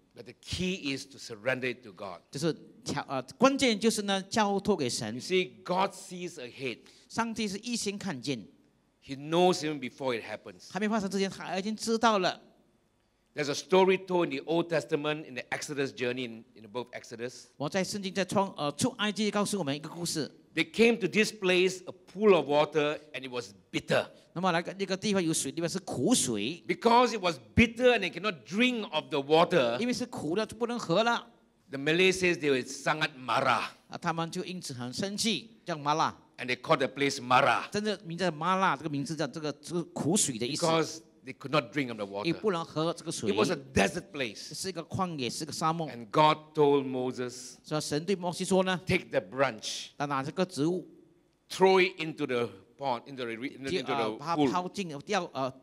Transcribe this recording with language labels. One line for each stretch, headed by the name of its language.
English: But the key is to surrender it to God.
Chinese: 就是关键就是呢, 交托给神。
English: You see, God sees ahead.
Chinese: 上帝是一心看见。
English: He knows even before it happens.
Chinese: 还没发生之前, 他已经知道了。
English: There's a story told in the Old Testament in the Exodus journey in the book of Exodus.
Chinese: 我在圣经在出埃及告诉我们一个故事。
English: They came to this place, a pool of water, and it was bitter.
Chinese: 那么来个地方有水，里面是苦水。
English: Because it was bitter and they cannot drink of the water,
Chinese: 因为是苦的，就不能喝了。
English: The Malay says they were
Malay: sangat marah.
Chinese: 他们就因此很生气，叫mara。
English: And they called the place mara.
Chinese: 真的名叫mara，这个名字叫这个苦水的意思。
English: Because they could not drink of the water.
Chinese: 也不能喝这个水。
English: It was a desert place.
Chinese: 是一个旷野，是个沙漠。
English: And God told Moses,
Chinese: 所以神对摩西说呢,
English: take the branch,
Chinese: 拿这个植物,
English: throw it into the pond, into the pool.